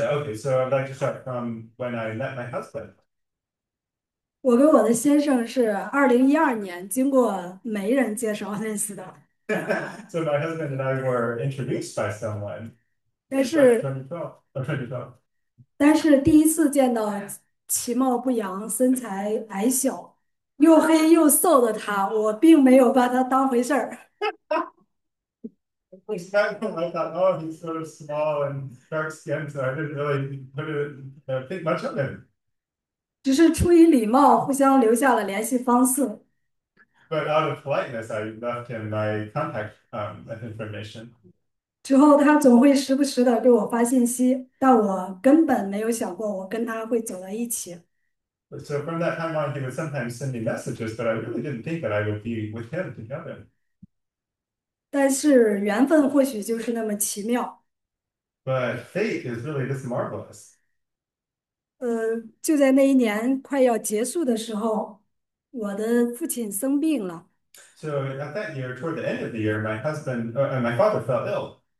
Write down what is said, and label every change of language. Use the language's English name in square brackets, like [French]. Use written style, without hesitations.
[English] Okay, so I'd like to start from when I met my husband. [Chinese] 我跟我的先生是2012年经过媒人介绍认识的， [English] So my husband and I were introduced by someone back in 2012. [Chinese] 但是第一次见到其貌不扬、身材矮小。又黑又瘦的他，我并没有把他当回事儿。 [English] I thought, oh, he's so small and dark skinned, so I didn't really think much of him. [Chinese] 只是出于礼貌，互相留下了联系方式。 [English] But out of politeness, I left him my contact information. [Chinese] 之后，他总会时不时的给我发信息，但我根本没有想过我跟他会走到一起。 [English] So from that time on, he would sometimes send me messages, but I really didn't think that I would be with him together. [Chinese] 但是缘分或许就是那么奇妙。 [English] But fate is really this marvelous. [Chinese] 就在那一年快要结束的时候，我的父亲生病了。 [English] So at that year, toward the end of the year, my husband and my father fell ill.